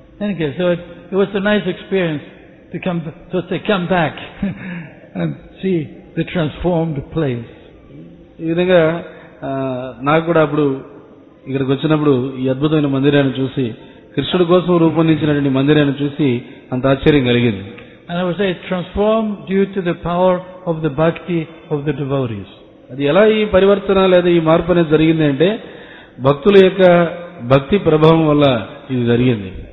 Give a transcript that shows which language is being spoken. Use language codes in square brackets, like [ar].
[en] Okay, so it was a nice experience to come to, so to come back and see the transformed place. [te] ఈ విధంగా నాకు కూడా అప్పుడు ఇక్కడికి వచ్చినప్పుడు ఈ అద్భుతమైన మందిరాన్ని చూసి, కృష్ణుడి కోసం రూపొందించినటువంటి మందిరాన్ని చూసి అంత ఆశ్చర్యం కలిగింది. [en] And I would say it transformed due to the power of the bhakti of the devotees. [te] అది ఎలా ఈ పరివర్తన లేదా ఈ మార్పు అనేది జరిగింది అంటే భక్తుల యొక్క భక్తి ప్రభావం వల్ల ఇది జరిగింది.